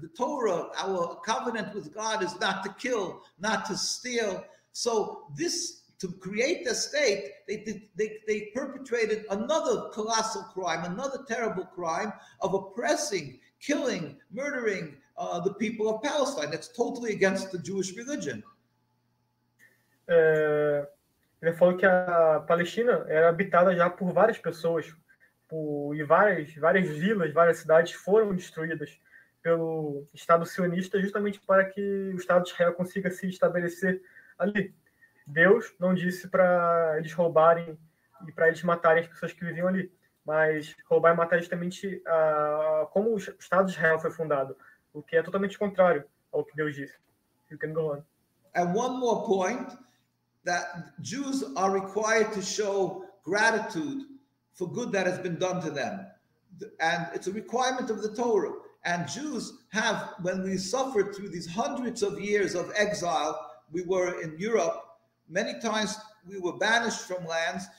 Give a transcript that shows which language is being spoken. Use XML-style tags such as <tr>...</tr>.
<en>The Torah, our covenant with God, is not to kill, not to steal. So this, to create the state, they perpetrated another colossal crime, another terrible crime of oppressing, killing, murdering the people of Palestine. That's totally against the Jewish religion.</en> <pt>Ele falou que a Palestina era habitada já por várias pessoas. E várias vilas, várias cidades foram destruídas pelo Estado sionista justamente para que o Estado de Israel consiga se estabelecer ali. Deus não disse para eles roubarem e para eles matarem as pessoas que viviam ali, mas roubar e matar justamente como o Estado de Israel foi fundado, o que é totalmente contrário ao que Deus disse.</pt> <en>You can go on. And one more point, that Jews are required to show gratitude for good that has been done to them. And it's a requirement of the Torah. And Jews have, when we suffered through these hundreds of years of exile, we were in Europe, many times we were banished from lands.</en>